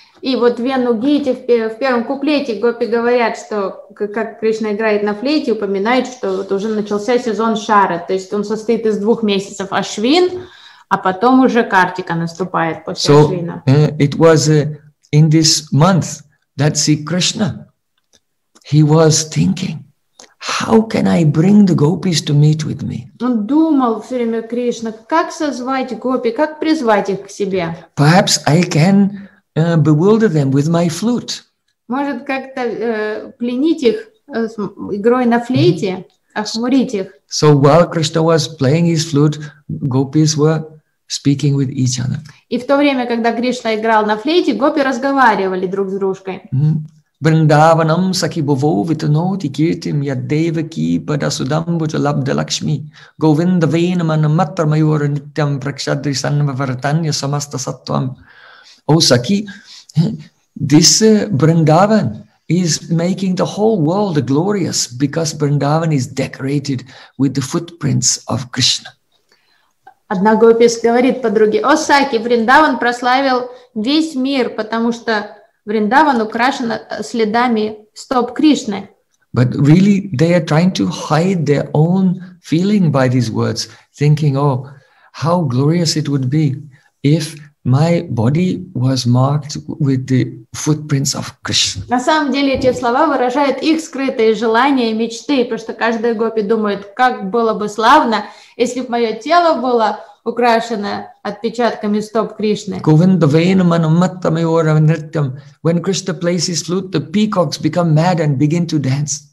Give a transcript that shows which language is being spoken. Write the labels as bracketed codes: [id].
[ru] И вот в Вену Гите в первом куплете гопи говорят, что как Кришна играет на флейте, упоминает, что вот уже начался сезон Шарад. То есть он состоит из двух месяцев Ашвин, а потом уже Картика наступает после so, Ашвина. [en] It was in this month that see Krishna, he was thinking, how can I bring the gopis to meet with me? [ru] Он думал все время, Кришна, как созвать гопи, как призвать их к себе? [en] Perhaps I can bewilder them with my flute. [ru] Может как-то пленить их игрой на флейте, охмурить их. [en] So while Krishna was playing his flute, gopis were speaking with each other. [ru] И в то время, когда Кришна играл на флейте, гопи разговаривали друг с дружкой. [sa] Бриндаванам сакибуво витаноти киртим яддевики падасудамбуджа лабда лакшми говинда венамана матрамайора нитям пракшадри санва вартанья самаста саттвам. [en] О, Саки, this Бриндаван is making the whole world glorious because Бриндаван is decorated with the footprints of Krishna. [ru] Одна гопис говорит подруге, о, Саки, Вриндаван прославил весь мир, потому что Вриндаван украшен следами стоп Кришны. But really, they are trying to hide their own feeling by these words, thinking, oh, how glorious it would be if my body was marked with the footprints of Krishna. На самом деле эти слова выражают их скрытые желания и мечты, потому что каждая гопи думает, как было бы славно, если бы мое тело было украшено отпечатками стоп Кришны. [en] When Krishna plays his flute, the peacocks become mad and begin to dance.